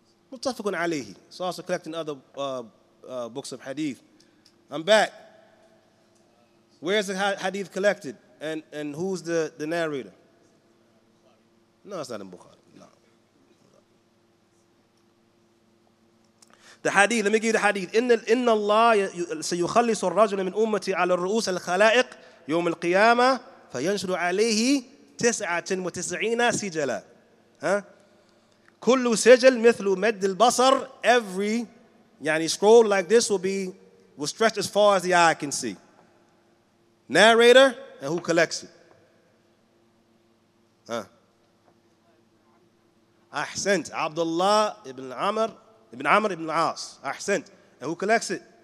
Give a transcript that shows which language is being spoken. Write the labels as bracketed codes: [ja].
[en] Mutafakun alayhi. So also collecting other books of hadith. I'm back. Where's the hadith collected? And who's the narrator? No, it's not in Bukhari. The hadith, let me give you the hadith. [ar] إن الله سيخلص الرجل من أمتي على الرؤوس الخلائق يوم القيامة فينشر عليه 99 سجلا. كل سجل مثل مد البصر. [en] Every يعني scroll like this will stretch as far as the eye can see. Narrator and who collects it. [ar] أحسنت. عبد الله بن عمر. [en] Ibn Amr ibn al-As, Ahsant. And who collects it?